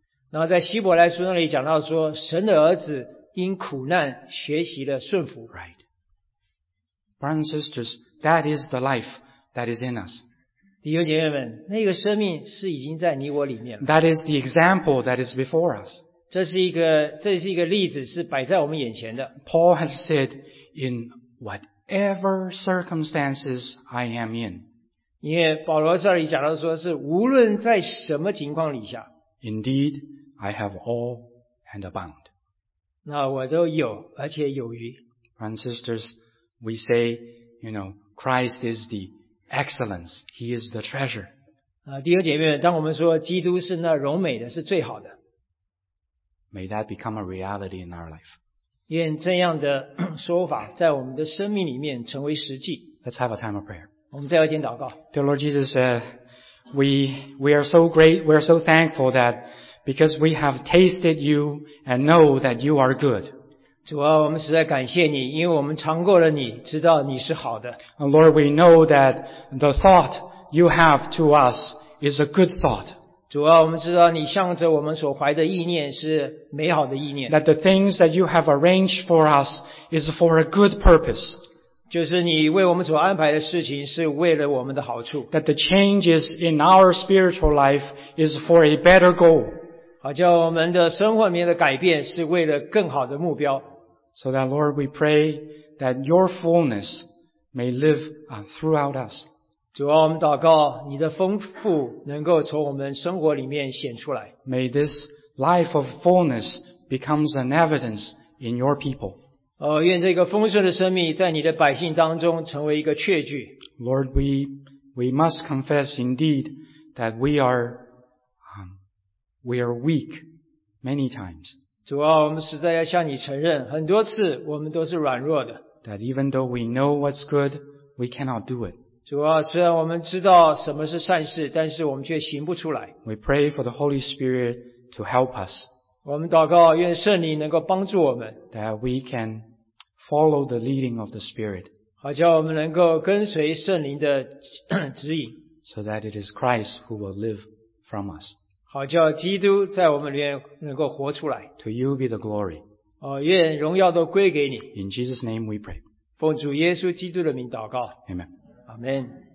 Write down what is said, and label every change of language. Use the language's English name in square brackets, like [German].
[Chinese] 然后在希伯来书那里讲到说，神的儿子因苦难学习了顺服。 [English] Right. Brothers and sisters, that is the life that is in us. [Chinese] 弟兄姐妹们，那个生命是已经在你我里面了。 [English] That is the example that is before us. [Chinese] 这是一个例子，是摆在我们眼前的。 [English] Paul has said, in whatever circumstances I am in. [Chinese] 因为保罗这里讲到说是无论在什么情况底下。 [English] Indeed, I have all and abound. [Chinese] 那我都有，而且有余。 [English] Brothers and sisters, we say, you know, Christ is the excellence, he is the treasure. [Chinese] 弟兄姐妹们，当我们说基督是那荣美的，是最好的。 [English] May that become a reality in our life. [Chinese] 愿这样的说法在我们的生命里面成为实际。 [English] Let's have a time of prayer. [Chinese] 我们再有一点祷告。 [English] Dear Lord Jesus, we are so great, we are so thankful that because we have tasted you and know that you are good. [Chinese] 主啊，我们实在感谢你，因为我们尝过了你，知道你是好的。 [English] Lord, we know that the thought you have to us is a good thought. [Chinese] 主啊，我们知道你向着我们所怀的意念是美好的意念。 [English] That the things that you have arranged for us is for a good purpose. [Chinese] 就是你为我们所安排的事情是为了我们的好处。 [English] That the changes in our spiritual life is for a better goal. [Chinese] 好叫我们的生活里面的改变是为了更好的目标。 [English] So that Lord, we pray that your fullness may live throughout us. [Chinese] 主啊，我们祷告你的丰富能够从我们生活里面显出来。 [English] May this life of fullness becomes an evidence in your people. [Chinese] 愿这个丰盛的生命在你的百姓当中成为一个确据。 [English] Lord, we must confess indeed that we are weak many times. [Chinese] 主啊，我们实在要向你承认，很多次我们都是软弱的。 [English] That even though we know what's good, we cannot do it. [Chinese] 主啊，虽然我们知道什么是善事，但是我们却行不出来。 [English] We pray for the Holy Spirit to help us. [Chinese] 我们祷告，愿圣灵能够帮助我们。 [English] That we can follow the leading of the Spirit. [Chinese] 好叫我们能够跟随圣灵的指引。 [English] So that it is Christ who will live from us. [Chinese] 好叫基督在我们里面能够活出来。 [English] To you be the glory. [Chinese] 愿荣耀都归给你。 [English] In Jesus' name we pray. [Chinese] 奉主耶稣基督的名祷告。 [English] Amen. Amen.